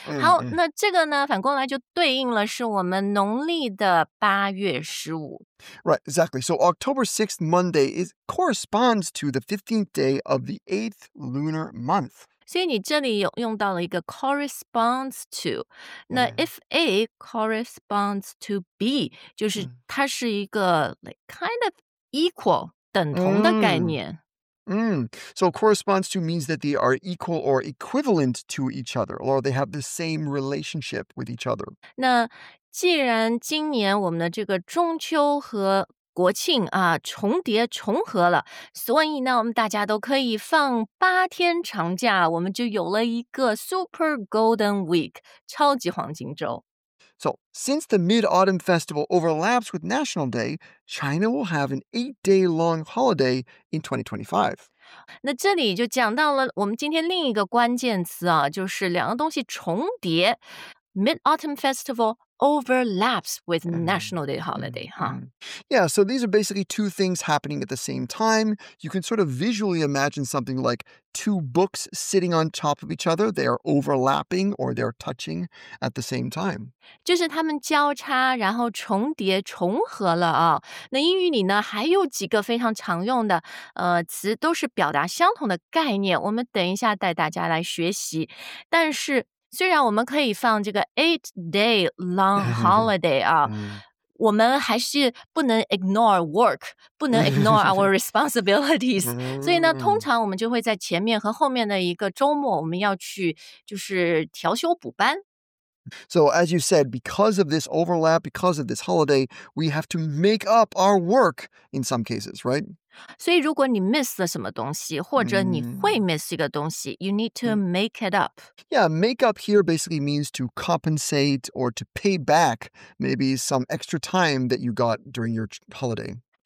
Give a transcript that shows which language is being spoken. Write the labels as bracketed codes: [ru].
[zh] 好那这个呢反过来就对应了是我们农历的八月十五。 [en] Right, exactly. So October 6th, Monday, is corresponds to the 15th day of the 8th lunar month. [zh] 所以你这里用到了一个 [en] corresponds to. [zh] 那 [en] if A corresponds to B, [zh] 就是它是一个 [en] like, kind of equal, [zh] 等同的概念。 [en] So corresponds to means that they are equal or equivalent to each other, or they have the same relationship with each other. [zh] 那既然今年我们的这个中秋和国庆啊重叠重合了，所以呢，我们大家都可以放八天长假，我们就有了一个 [en] Super Golden Week, [zh] 超级黄金周。 [en] So, since the Mid-Autumn Festival overlaps with National Day, China will have an 8-day-long holiday in 2025. [zh] 那这里就讲到了我们今天另一个关键词啊，就是两个东西重叠。 [en] Mid-Autumn Festival overlaps with National Day holiday, huh? Yeah, so these are basically two things happening at the same time. You can sort of visually imagine something like two books sitting on top of each other. They are overlapping or they're touching at the same time. [zh] 就是他们交叉然后重叠重合了啊。那英语里呢还有几个非常常用的词都是表达相同的概念。我们等一下带大家来学习。但是虽然我们可以放这个 [en] 8-day-long holiday [zh] 啊，我们还是不能 [en] ignore work, [zh] 不能 [en] ignore our responsibilities. [zh] 所以呢，通常我们就会在前面和后面的一个周末，我们要去就是调休补班。 [en] So as you said, because of this overlap, because of this holiday, we have to make up our work in some cases, right? [zh] 所以如果你 miss 了什么东西或者你会 miss 一个东西 [en] you need to make it up. Yeah, make up here basically means to compensate or to pay back maybe some extra time that you got during your holiday.